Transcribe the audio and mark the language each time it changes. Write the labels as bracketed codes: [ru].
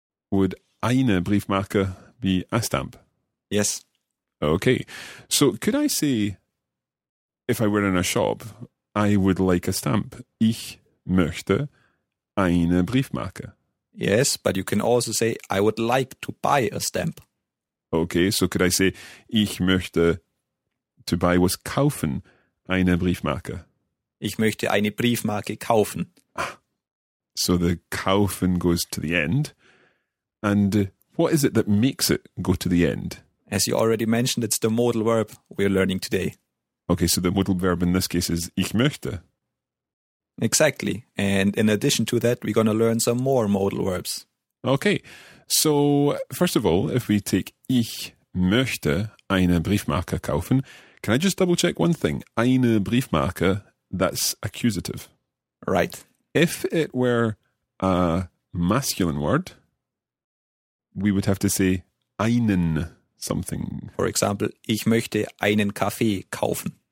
[en] Would [de] eine Briefmarke [en] be a stamp? Yes. Okay. So could I say, if I were in a shop, I would like a stamp. [de] Ich möchte eine Briefmarke. [en] Yes, but you can also say, I would like to buy a stamp. Okay, so could I say, [de] ich möchte [en] to buy [de] was kaufen eine Briefmarke. Ich möchte eine Briefmarke kaufen. [en] So the kaufen goes to the end. And what is it that makes it go to the end? As you already mentioned, it's the modal verb we're learning today. Okay, so the modal verb in this case is [de] ich möchte. [en] Exactly. And in addition to that, we're going to learn some more modal verbs. Okay. So, first of all, if we take [de] ich möchte eine Briefmarke kaufen, [en] can I just double check one thing? Eine Briefmarke, that's accusative. Right. If it were a masculine word, we would have to say einen something. For example, [de] ich möchte einen Kaffee kaufen.